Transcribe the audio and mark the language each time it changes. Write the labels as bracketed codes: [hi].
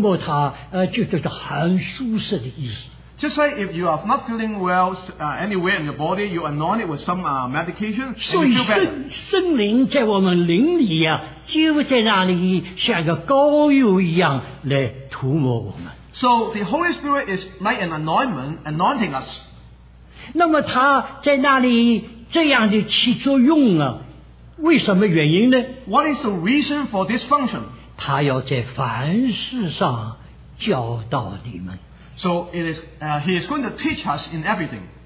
[zh] 好像今天，如果你什么地方不舒服，擦一点油啊，摸摸它，就是很舒适的意思。 [en] Just like if you are not feeling well anywhere in your body, you anoint it with some medication, and you feel better. So the Holy Spirit is like an anointment, anointing us. [zh] 那么他在那里这样的起作用啊，为什么原因呢？ [en] What is the reason for this function? [zh] 他要在凡事上教导你们。 [en] So it is, he is going to teach us in everything.